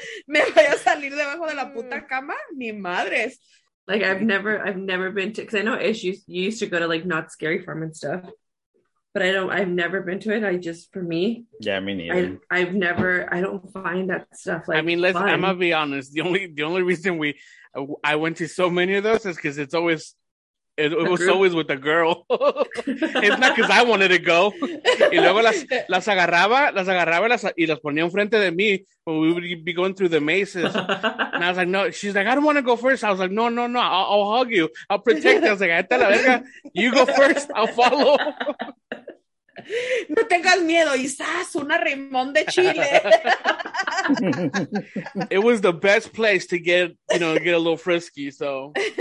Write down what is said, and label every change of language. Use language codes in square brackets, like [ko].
[es] me vaya a salir debajo de la puta cama, ni madres. [en] Like, I've never been to, because I know issues, you used to go to like Not Scary Farm and stuff, but I've never been to it. I just, for me. Yeah, me neither. I don't find that stuff like, I mean, listen, I'm gonna be honest. The only reason I went to so many of those is because it's always, it was group. Always with a girl. It's not because I wanted to go. [es] Y luego las agarraba y las ponía enfrente de mí [en] when we would be going through the mazes. And I was like, no, she's like, I don't want to go first. I was like, no, I'll hug you. I'll protect you. I was like, [es] esta la verga, [en] you go first, I'll follow. [es] No tengas miedo, quizás una Raymond de Chile. [en] It was the best place to get, you know, get a little frisky, so.